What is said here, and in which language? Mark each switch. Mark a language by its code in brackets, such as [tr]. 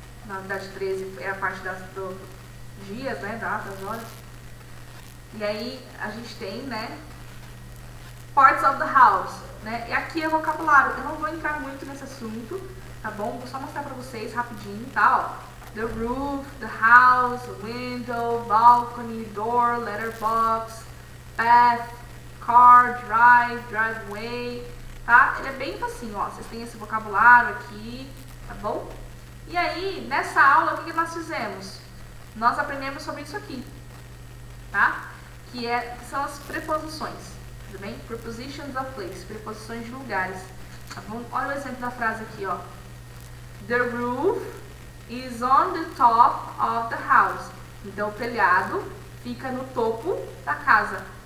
[pt] Na unidade 13 é a parte das dias, né? Datas, horas. E aí a gente tem, né? [en] Parts of the house, [pt] né? E aqui é vocabulário. Eu não vou entrar muito nesse assunto, tá bom? Vou só mostrar pra vocês rapidinho, tá? Ó. [en] The roof, the house, window, balcony, door, letterbox, path, car, drive, driveway, tá? [pt] Ele é bem facinho, ó. Vocês têm esse vocabulário aqui, tá bom? E aí, nessa aula, o que que nós fizemos? Nós aprendemos sobre isso aqui, tá? Que são as preposições, tudo bem? [en] Prepositions of place, [pt] preposições de lugares, tá bom? Olha o exemplo da frase aqui, ó. [en] The roof is on the top of the house. [pt] Então, o telhado fica no topo da casa.